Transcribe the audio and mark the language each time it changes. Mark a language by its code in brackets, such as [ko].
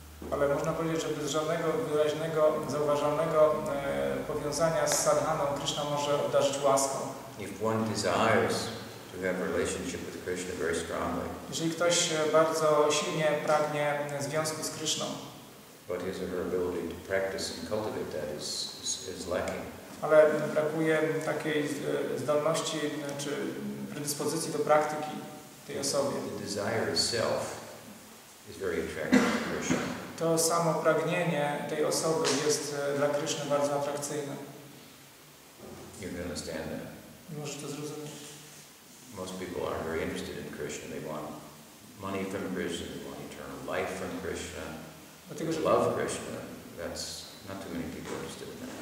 [pl] Ale można powiedzieć, że bez żadnego wyraźnego, zauważalnego powiązania z sadhaną, Krishna może obdarzyć łaską. [en] If one desires to have a relationship with Krishna very strongly, [pl] jeżeli ktoś bardzo silnie pragnie związku z Krishną, [en] but his or her ability to practice and cultivate that is lacking. [pl] Ale brakuje takiej zdolności, czy dyspozycji do praktyki tej osobie. [en] The desire itself is very attractive to Krishna. [pl] To samo pragnienie tej osoby jest dla Krishna bardzo atrakcyjne. [en] You can understand that. [pl] Możesz to zrozumieć. [en] Most people are very interested in Krishna. They want money from Krishna. They want eternal life from Krishna. [pl] Dlatego, że [en] love Krishna. That's not too many people interested in that.